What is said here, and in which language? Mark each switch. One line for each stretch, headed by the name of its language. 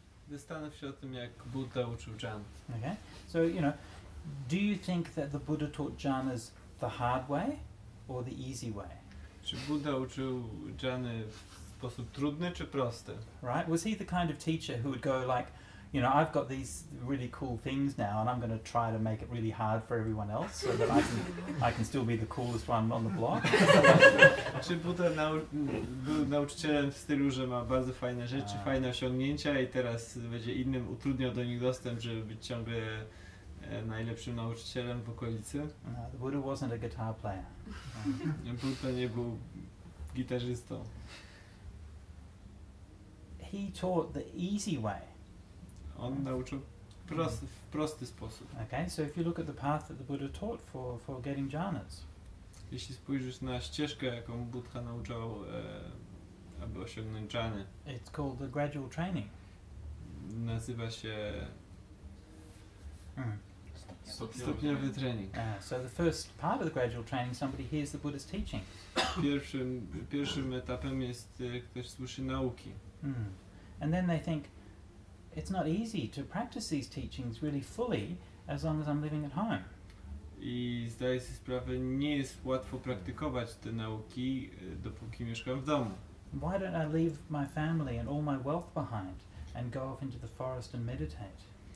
Polish: Zastanów się o tym, jak Buddha uczył jhanas.
English: Okay. So, you know, do you think that the Buddha taught jhanas the hard way or the easy way?
Polish: Czy Buddha uczył jhany w sposób trudny czy prosty?
English: Right? Was he the kind of teacher who would go like, you know, I've got these really cool things now and I'm going to try to make it really hard for everyone else so that I can still be the coolest one on the block?
Polish: Czy Buddha był nauczycielem w stylu, że ma bardzo fajne rzeczy, fajne osiągnięcia i teraz będzie innym utrudniał do nich dostęp, żeby być ciągle najlepszym nauczycielem w okolicy?
English: The Buddha wasn't a guitar player.
Polish: Buddha nie był gitarzystą.
English: He taught the easy way.
Polish: On nauczył w prosty sposób.
English: Okay, so if you look at the path that the Buddha taught for getting jhanas.
Polish: Jeśli spojrzysz na ścieżkę, jaką Buddha nauczał, aby osiągnąć jhany.
English: It's called the gradual training.
Polish: Nazywa się... Stopniowy trening.
English: So the first part of the gradual training, somebody hears the Buddha's teaching.
Polish: Pierwszym etapem jest ktoś słyszy nauki.
English: And then they think it's not easy to practice these teachings really fully as long as I'm living at home.
Polish: I zdaję sobie sprawę, nie jest łatwo praktykować te nauki, dopóki mieszkam w domu.
English: Why don't I leave my family and all my wealth behind and go off into the forest and meditate?